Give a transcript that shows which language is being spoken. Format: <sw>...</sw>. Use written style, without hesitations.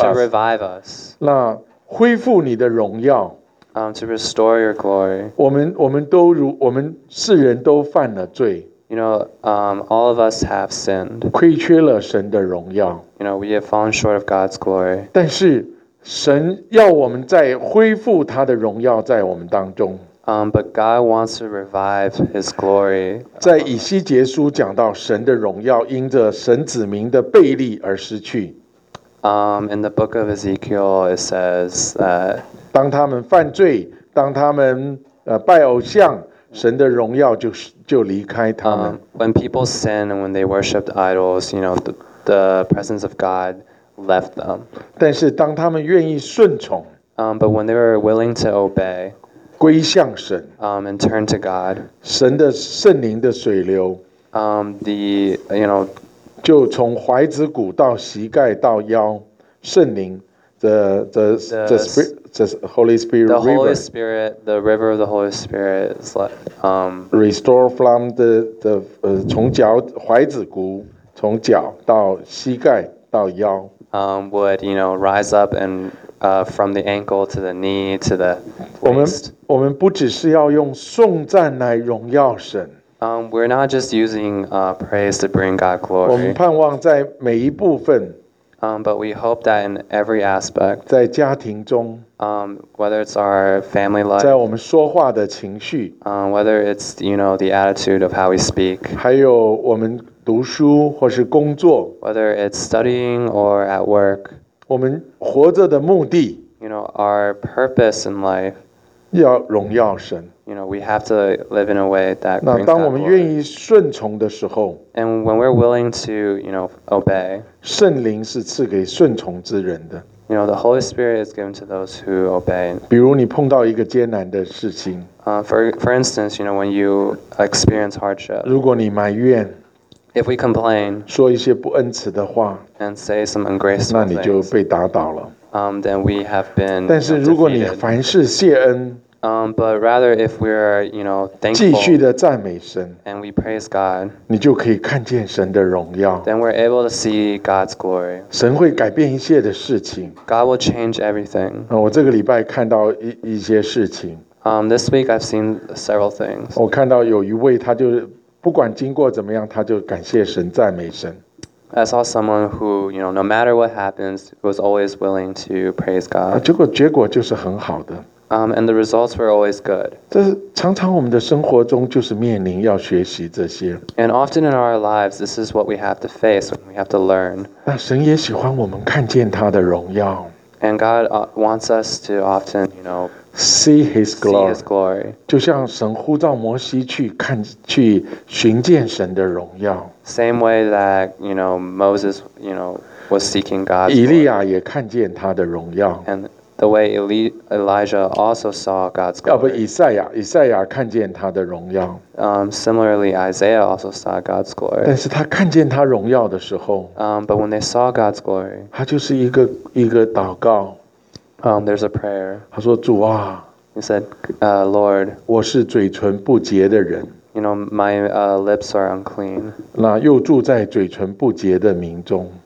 <en>To revive us.</en> <zh>那恢复你的荣耀。</zh> <en>To restore your glory.</en> <zh>我们世人都犯了罪。</zh> <en>You know, all of us have sinned.</en> <zh>亏缺了神的荣耀。</zh> <en>You know, we have fallen short of God's glory.</en> <zh>但是神要我们再恢复他的荣耀在我们当中。</zh> <en>But God wants to revive His glory.</en> <zh>在以西结书讲到神的荣耀因着神子民的悖逆而失去。</zh> <en>In the book of Ezekiel, it says that</en> <zh>当他们犯罪，当他们拜偶像。神的荣耀就离开他们。</zh> <en>When people sinned and when they worshipped idols, you know, the presence of God left them.</en> <zh>但是当他们愿意顺从。</zh> <en>But when they were willing to obey.</en> <zh>归向神。</zh> <en>And turn to God.</en> <zh>神的圣灵的水流。</zh> <en>You know,</en> <zh>就从踝子骨到膝盖到腰，圣灵。</zh> <en>The Holy Spirit, the river of the Holy Spirit is like, restore from the</en> <zh>从脚踝子骨从脚到膝盖到腰</zh> <en>would you know rise up and from the ankle to the knee to the waist.</en> <zh>我们不只是要用颂赞来荣耀神。</zh> <en>We're not just using praise to bring God glory.</en> <zh>我们盼望在每一部分。</zh> <en>But we hope that in every aspect,</en> <zh>在家庭中,</zh> <en>whether it's our family life,</en> <zh>在我们说话的情绪,</zh> <en>whether it's you know, the attitude of how we speak,</en> <zh>还有我们读书或是工作,</zh> <en>whether it's studying or at work,</en> <zh>我们活着的目的,</zh> <en>you know, our purpose in life,</en> <zh>要荣耀神。</zh> <en>You know, we have to live in a way that brings God glory.</en> <zh>当我们愿意顺从的时候</zh> <en>And when we're willing to, you know, obey,</en> <zh>圣灵是赐给顺从之人的。</zh> <en>You know, the Holy Spirit is given to those who obey.</en> <zh>比如你碰到一个艰难的事情。</zh> <en>For instance, you know, when you experience hardship.</en> <zh>如果你埋怨。</zh> <en>If we complain,</en> <zh>说一些不恩慈的话,</zh> <en>and say some ungraceful things,</en> <zh>那你就被打倒了。</zh> <en>Then we have been defeated.</en> <zh>但是如果你凡事谢恩,</zh> <en>but rather if we are, you know, thankful,</en> <zh>继续地赞美神,</zh> <en>and we praise God,</en> <zh>你就可以看见神的荣耀。</zh> <en>Then we're able to see God's glory.</en> <zh>神会改变一切的事情。</zh> <en>God will change everything.</en> <zh>我这个礼拜看到一些事情。</zh> <en>This week I've seen several things.</en> <zh>我看到有一位他就不管经过怎么样，他就感谢神、赞美神。</zh> <en>I saw someone who, you know, no matter what happens, was always willing to praise God.</en> <zh>结果就是很好的。</zh> <en>And the results were always good.</en> <zh>这常常我们的生活中就是面临要学习这些。</zh> <en>And often in our lives, this is what we have to face when we have to learn.</en> <zh>那神也喜欢我们看见他的荣耀。</zh> <en>And God wants us to often, you know, see His glory. See His glory.</en> <zh>就像神呼召摩西去看去寻见神的荣耀。</zh> <en>Same way that, you know, Moses, you know, was seeking God's glory.</en> <zh>以利亚也看见他的荣耀。</zh> <en>And the way Elijah also saw God's glory.</en> <zh>要不以赛亚看见他的荣耀。</zh> <en>Similarly, Isaiah also saw God's glory.</en> <zh>但是他看见他荣耀的时候。</zh> <en>But when they saw God's glory.</en> <zh>他就是一个祷告。</zh> <en>There's a prayer.</en> <zh>他说主啊。</zh> <en>He said, Lord.</en> <zh>我是嘴唇不洁的人。</zh> <en>You know, my lips are unclean.</en> <zh>那又住在嘴唇不洁的民中。</zh>